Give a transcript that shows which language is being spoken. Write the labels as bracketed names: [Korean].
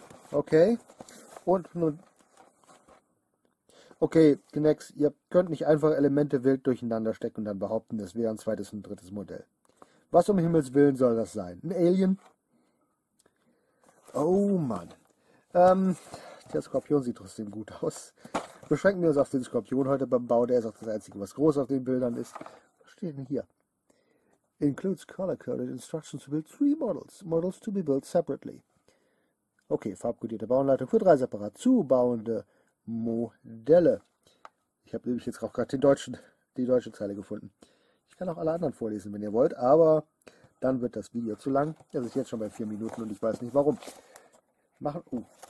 [German] Okay, und nun, okay, Gnex, ihr könnt nicht einfach Elemente wild durcheinander stecken und dann behaupten, das wäre ein zweites und drittes Modell. Was um Himmels Willen soll das sein? Ein Alien? Oh Mann. Der Skorpion sieht trotzdem gut aus. Beschränken wir uns auf den Skorpion heute beim Bau. Der ist auch das Einzige, was groß auf den Bildern ist. Was steht denn hier? [English] Includes color-coded instructions to build three models. Models to be built separately. [German] Okay, farbcodierte Bauanleitung für drei separat zu bauende Modelle. Ich habe nämlich jetzt auch gerade die deutsche Zeile gefunden. Ich kann auch alle anderen vorlesen, wenn ihr wollt, aber dann wird das Video zu lang. Das ist jetzt schon bei 4 Minuten und ich weiß nicht warum. Machen.